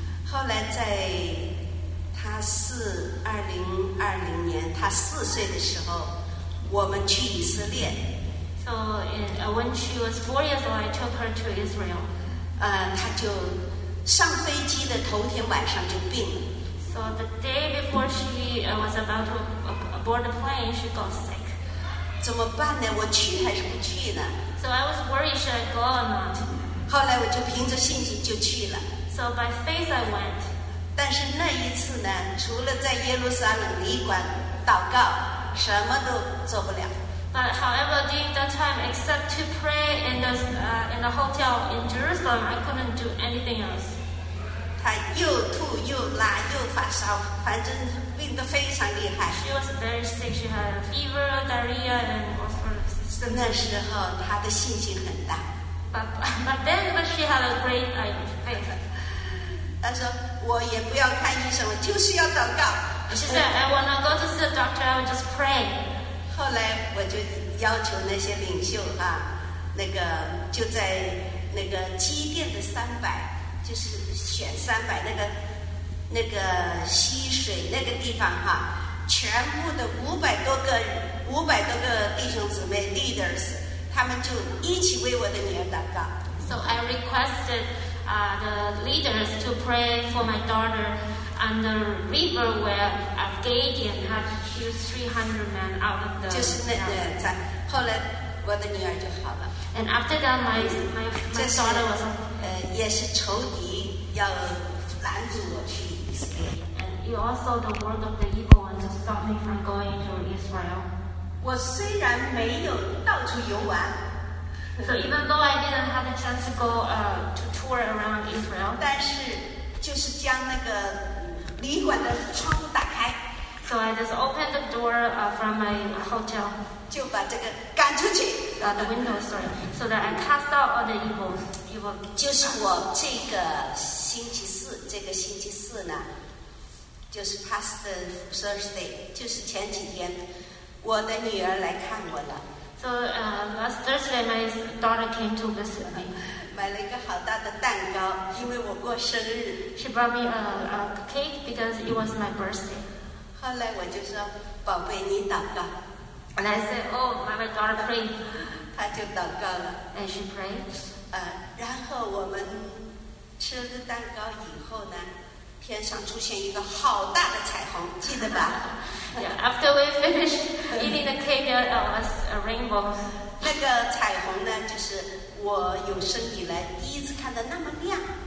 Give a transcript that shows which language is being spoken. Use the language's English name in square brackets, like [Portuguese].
[Chinese] 后来在他2020年他4岁的时候，我们去以色列。 [English] So when she was 4 years old, I took her to Israel. [Chinese] 他就上飞机的头天晚上就病了。 [English] So the day before she was about to board the plane, she got sick. [Chinese] 怎么办呢？我去还是不去呢 [English] ？So I was worried, should I go or not? [Chinese] 后来我就凭着信心就去了。 [English] So by faith I went. [Chinese] 但是那一次呢，除了在耶路撒冷旅馆祷告，什么都做不了。 [English] But however, during that time, except to pray in the hotel in Jerusalem, I couldn't do anything else. [Chinese] 她又吐又拉又发烧，反正病得非常厉害。 [English] She was very sick. She had fever, diarrhea, and all sorts. [Chinese] 那时候她的信心很大。 [English] But then she had a great faith. [Chinese] 她说我也不要看医生，我就是要祷告。 [English] She said, I will not go to see the doctor, I will just pray. [Chinese] 后来我就要求那些领袖啊，那个就在那个基甸的300，就是选300那个溪水那个地方哈，全部的500多个弟兄姊妹 leaders， 他们就一起为我的女儿祷告。 [English] So I requested the leaders to pray for my daughter on the river where Gideon had used 300 men out of the. [Chinese] 就是那个在后来我的女儿就好了。 [English] And after that, my daughter was. [Chinese] 也是仇敌要拦住我去以色列。 [English] And you also the word of the evil one to stop me from going to Israel. [Chinese] 我虽然没有到处游玩。 [English] So even though I didn't have the chance to go to tour around Israel, [Chinese] 但是就是将那个旅馆的窗户打开。 [English] So I just opened the door from my hotel. [Chinese] 就把这个赶出去。 [English] The window, sorry. So that I cast out all the evil. [Chinese] 就是我这个星期四呢，就是 [English] past Thursday， [Chinese] 就是前几天我的女儿来看我了。 [English] So last Thursday my daughter came to visit me. [Chinese] 买了一个好大的蛋糕，因为我过生日。 [English] She brought me a cake because it was my birthday. [Chinese] 后来我就说，宝贝，你祷告。 [English] And I said, oh, my daughter prayed. [Chinese] 她就祷告了。 [English] And she prayed. [Chinese] 然后我们吃了蛋糕以后呢？天上出现一个好大的彩虹，记得吧？ [English] Yeah, after we finished eating the cake, there was a rainbow. [Chinese] 那个彩虹呢，就是我有生以来第一次看到那么亮，